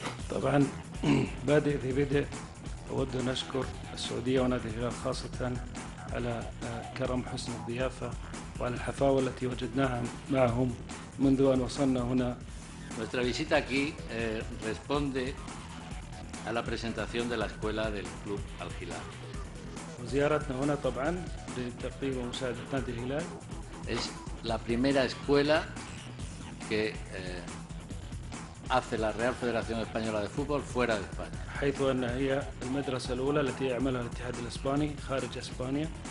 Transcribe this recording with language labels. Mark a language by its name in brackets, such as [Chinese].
[Arabic] طبعا بادئ ذي بدء أود أن أشكر السعودية ونادي الهلال خاصة على كرم حسن الضيافة وعلى الحفاوة التي وجدناها معهم منذ أن وصلنا هنا. [Spanish] Nuestra visita aquí responde a la presentación de la escuela del club Al Hilal. [Arabic] وزيارتنا هنا طبعا لتقديم ومساعدة نادي الهلال. [Spanish] Es la primera escuela que hace la Real Federación Española de Fútbol fuera de España. [Arabic] حيث أن هي المدرسة الأولى التي يعملها الاتحاد الإسباني خارج إسبانيا.